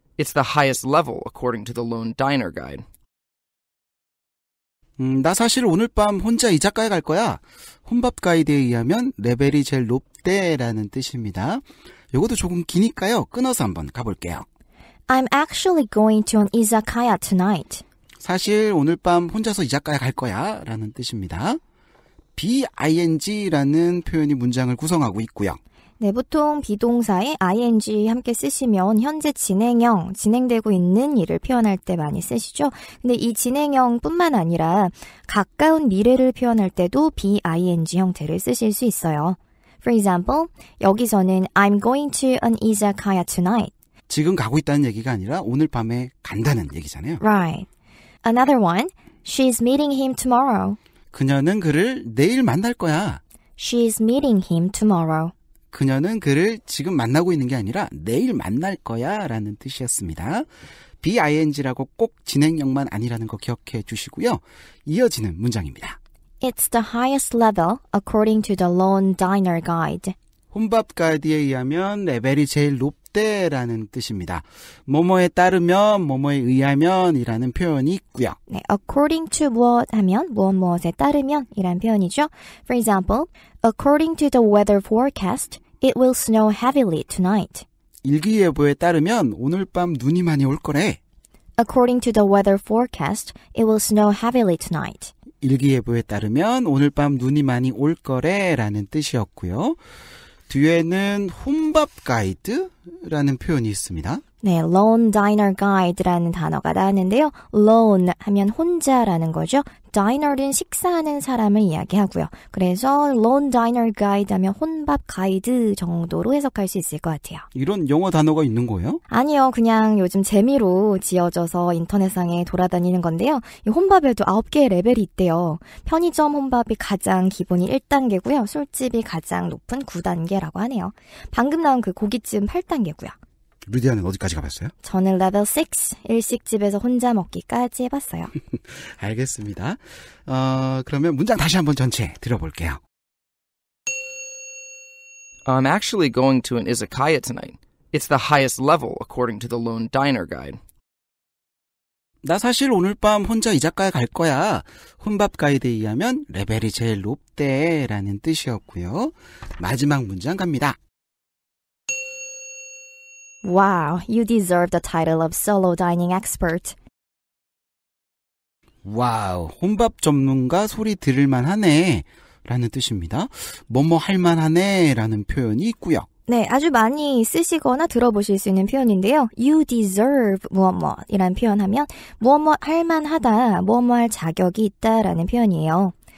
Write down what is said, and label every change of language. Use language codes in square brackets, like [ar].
[en] It's the highest level according to the lone diner guide. [ko] 나 사실 오늘 밤 혼자 이자카야 갈 거야. 혼밥 가이드에 의하면 레벨이 제일 높대라는 뜻입니다. 요것도 조금 기니까요. 끊어서 한번 가볼게요. [en] I'm actually going to an izakaya tonight. [ko] 사실 오늘 밤 혼자서 이자카야 갈 거야 라는 뜻입니다. BING라는 표현이 문장을 구성하고 있고요. 네, 보통 비동사에 ING 함께 쓰시면 현재 진행형, 진행되고 있는 일을 표현할 때 많이 쓰시죠. 근데 이 진행형뿐만 아니라 가까운 미래를 표현할 때도 BING 형태를 쓰실 수 있어요. [en] For example, [ko] 여기서는 [en] I'm going to an izakaya tonight. [ko] 지금 가고 있다는 얘기가 아니라 오늘 밤에 간다는 얘기잖아요. [en] Right. Another one. She's meeting him tomorrow. [ko] 그녀는 그를 내일 만날 거야. [en] She's meeting him tomorrow. [ko] 그녀는 그를 지금 만나고 있는 게 아니라 내일 만날 거야 라는 뜻이었습니다. BING라고 꼭 진행형만 아니라는 거 기억해 주시고요. 이어지는 문장입니다. [en] It's the highest level according to the lone diner guide. [ko] 혼밥 가이드에 의하면 레벨이 제일 높 때라는 뜻입니다. 뭐뭐에 따르면, 뭐뭐에 의하면 이라는 표현이 있고요. 네, [en] according to what [ko] 하면 무엇무엇에 따르면 이라는 표현이죠. [en] For example, according to the weather forecast, it will snow heavily tonight. [ko] 일기예보에 따르면 오늘 밤 눈이 많이 올 거래. [en] According to the weather forecast, it will snow heavily tonight. [ko] 일기예보에 따르면 오늘 밤 눈이 많이 올 거래 라는 뜻이었고요. 뒤에는 혼밥 가이드라는 표현이 있습니다. 네, [en] lone diner guide [ko] 라는 단어가 나왔는데요. lone 하면 혼자라는 거죠. diner는 식사하는 사람을 이야기하고요. 그래서 [en] lone diner guide [ko] 하면 혼밥 가이드 정도로 해석할 수 있을 것 같아요. 이런 영어 단어가 있는 거예요? 아니요. 그냥 요즘 재미로 지어져서 인터넷상에 돌아다니는 건데요. 이 혼밥에도 9개의 레벨이 있대요. 편의점 혼밥이 가장 기본이 1단계고요. 술집이 가장 높은 9단계라고 하네요. 방금 나온 그 고깃집 8단계고요. 루디아는 어디까지 가봤어요? 저는 레벨 6, 일식집에서 혼자 먹기까지 해봤어요. 알겠습니다. 그러면 문장 다시 한번 전체 들어볼게요. [en] I'm actually going to an izakaya tonight. It's the highest level according to the lone diner guide. [ko] 나 사실 오늘 밤 혼자 이자카야 갈 거야. 혼밥 가이드에 의하면 레벨이 제일 높대 라는 뜻이었고요. 마지막 문장 갑니다. [en] Wow, you deserve the title of solo dining expert. [ko] Wow, 혼밥 전문가 소리 들을 만하네 라는 뜻입니다. 뭐뭐 할 만하네 라는 표현이 있고요. 네, 아주 많이 쓰시거나 들어보실 수 있는 표현인데요. [en] You deserve [ko] 뭐뭐 이라는 표현하면 뭐뭐 할 만하다, 뭐뭐 할 자격이 있다라는 표현이에요.